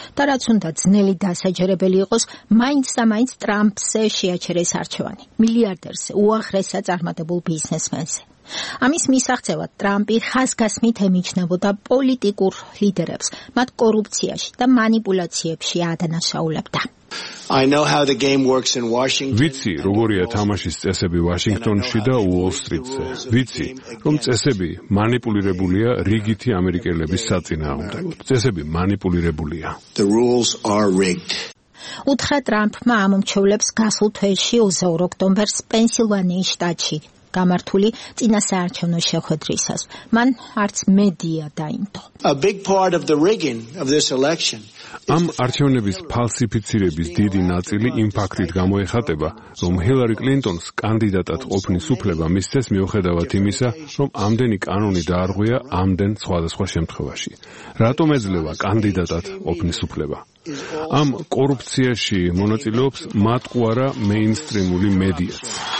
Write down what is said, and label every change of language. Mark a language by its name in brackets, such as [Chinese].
[Georgian] და რაც უნდა ძნელი დასაჯერებელი იყოს, მაინც და მაინც ტრამპსე შეაჩერეს არჩევანი, მილიარდერზე, უახრესად წარმატებულ ბიზნესმენზე. ამის მისაღწევად ტრამპი ხაზგასმით ემიჩნებოდა პოლიტიკურ ლიდერებს, მათ კორუფციაში და მანიპულაციებში ადანაშაულებდა. [English] I know how the game works in Washington. [Georgian] ვიცი, როგორია თამაშის წესები ვაშინგტონში და უოლ-სტრიტზე. ვიცი, რომ წესები მანიპულირებულია რიგითი ამერიკელების საწინააღმდეგო. წესები მანიპულირებულია. [English] The rules are rigged. [Georgian] უთხრა ტრამპმა ამომრჩევლებს გასულ თვეში 20 ოქტომბერს პენსილვანიის შტატში გამართული წინასაარჩევნო შეხვედრისას. მან არც მედია დაინტო. [English] A big part of the rigging of this election. [Georgian] ამ არჩევნების ფალსიფიცირების დიდი ნაწილი იმ ფაქტით გამოიხატება, რომ ჰილარი კლინტონს კანდიდატად ყოფნის უფლება მისცეს მიუხედავად იმისა, რომ ამდენი კანონი დაარღვია ამდენ სხვადასხვა შემთხვევაში. რატომ ეძლევა კანდიდატად ყოფნის უფლება? ამ კორუფციაში მონაწილეობს მატყუარა მეინსტრიმული მედიაც.